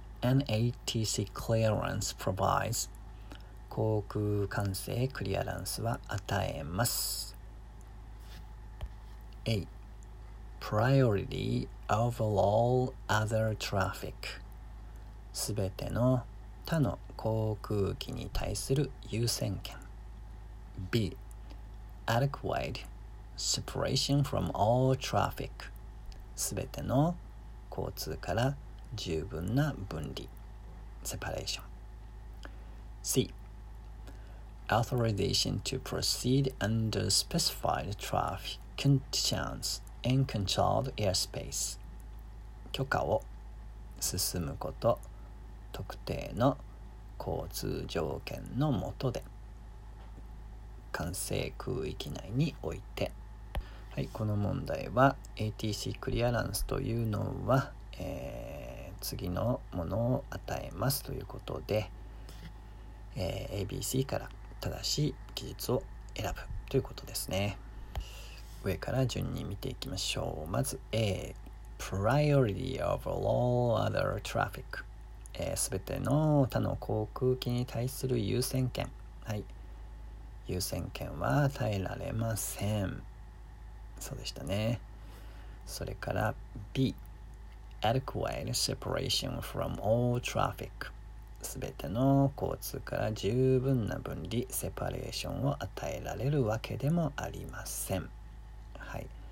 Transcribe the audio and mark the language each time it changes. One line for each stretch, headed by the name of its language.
English: An ATC clearance provides
Japanese: 航空管制クリアランスは与えます。
English: A. priority over all other traffic.
Japanese: すべての他の航空機に対する優先権。
English: B. adequate separation from all traffic.
Japanese: すべての交通から十分な分離。
English: Separation. C. authorization to proceed under specified traffic conditions in controlled airspace.
Japanese: 許可を進むこと、特定の交通条件のもとで、管制空域内において。はい、この問題は ATC クリアランスというのは、次のものを与えますということで、ABC から正しい記述を選ぶということですね。上から順に見ていきましょう。まず
English: A. priority over all other traffic.
Japanese: すべての他の航空機に対する優先権。はい。優先権は与えられません。そうでしたね。それから B.
English: adequate separation from all traffic.
Japanese: すべての交通から十分な分離、セパレーションを与えられるわけでもありません。はい。